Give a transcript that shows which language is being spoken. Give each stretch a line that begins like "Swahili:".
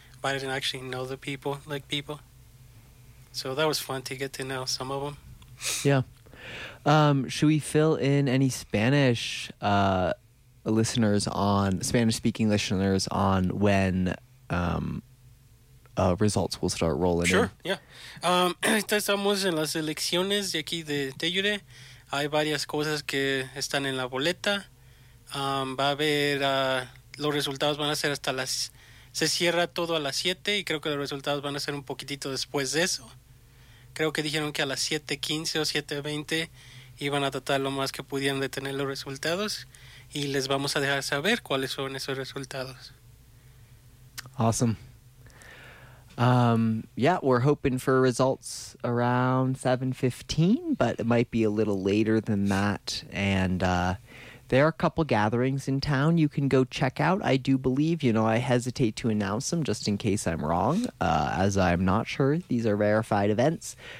English: But I didn't actually know the people, like, people. So that was fun to get to know some of them. Yeah. Should we fill in any Spanish listeners on... Spanish-speaking listeners on when results will start rolling sure. in? Sure, yeah.
Spanish: Estamos en las elecciones de aquí de Telluride. Hay varias cosas que están en la boleta. Va a haber los resultados van a ser hasta las... Se cierra todo a las 7 y creo que los resultados van a ser un poquitito después de eso. Creo que dijeron que a las 7:15 o 7:20 iban a tratar lo más que pudieran de tener los resultados y les vamos a dejar saber cuáles son esos resultados.
English: Awesome. We're hoping for results around 7:15, but it might be a little later than that. And there are a couple gatherings in town you can go check out. I do believe, you know, I hesitate to announce them just in case I'm wrong, as I'm not sure these are verified events.